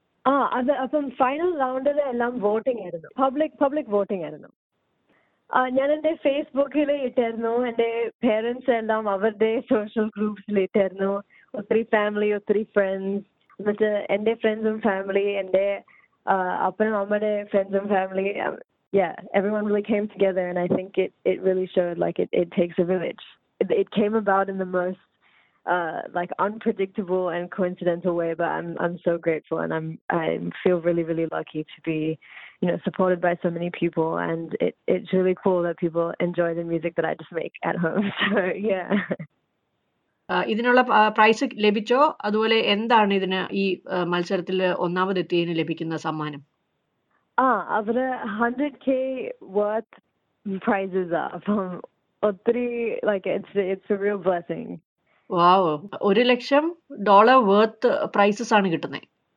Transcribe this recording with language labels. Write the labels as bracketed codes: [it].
[ml] ആ അത് അപ്പം ഫൈനൽ റൗണ്ടിൽ എല്ലാം വോട്ടിംഗ് ആയിരുന്നു, പബ്ലിക് വോട്ടിംഗ് ആയിരുന്നു. ഞാൻ എന്റെ ഫേസ്ബുക്കിൽ ഇട്ടായിരുന്നു, എന്റെ പേരൻസ് എല്ലാം അവരുടെ സോഷ്യൽ ഗ്രൂപ്പ്സിൽ ഇട്ടായിരുന്നു. ഒത്തിരി ഫാമിലി, ഒത്തിരി ഫ്രണ്ട്സ്, എന്നിട്ട് എന്റെ ഫ്രണ്ട്സും ഫാമിലി, എന്റെ അപ്പനും അമ്മയുടെ ഫ്രണ്ട്സും family. [en] Yeah, everyone really came together, and I think it really showed, like, it takes a village. It came about in the most like unpredictable and coincidental way, but I'm so grateful, and I'm feel really, really lucky to be, you know, supported by so many people, and it's really cool that people enjoy the music that I just make at home. So yeah. [ml] ഇതിനുള്ള price ലഭിച്ചോ? അതുപോലെ എന്താണ് ഇതിന് ഈ മത്സരത്തിൽ ഒന്നാമതെത്തിയതിന് ലഭിക്കുന്ന സമ്മാനം? [en] അവര് 100K worth prizes are from [ml] ഒത്തിരി, [en] like, it's a real blessing. Wow, $100,000 worth prizes [ml] ആണ് കിട്ടുന്നത്.